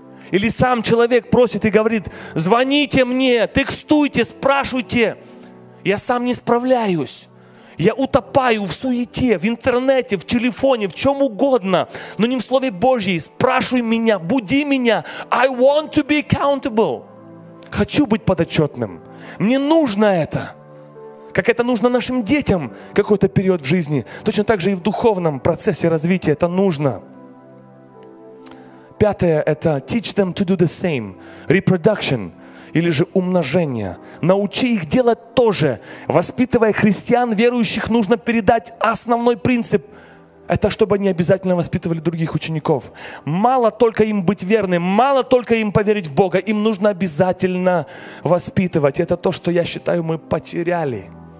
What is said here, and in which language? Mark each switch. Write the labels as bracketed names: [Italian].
[Russian] Или сам человек просит и говорит, звоните мне, текстуйте, спрашивайте. Я сам не справляюсь. Я утопаю в суете, в интернете, в телефоне, в чем угодно, но не в Слове Божьем. Спрашивай меня, буди меня. [English] I want to be accountable. [Russian] Хочу быть подотчетным. Мне нужно это. Как это нужно нашим детям какой-то период в жизни. Точно так же и в духовном процессе развития это нужно. Пятое – это [English] teach them to do the same. [Russian] Reproduction. Или же умножение. Научи их делать то же. Воспитывая христиан, верующих, нужно передать основной принцип. Это чтобы они обязательно воспитывали других учеников. Мало только им быть верным, мало только им поверить в Бога. Им нужно обязательно воспитывать. Это то, что я считаю, мы потеряли.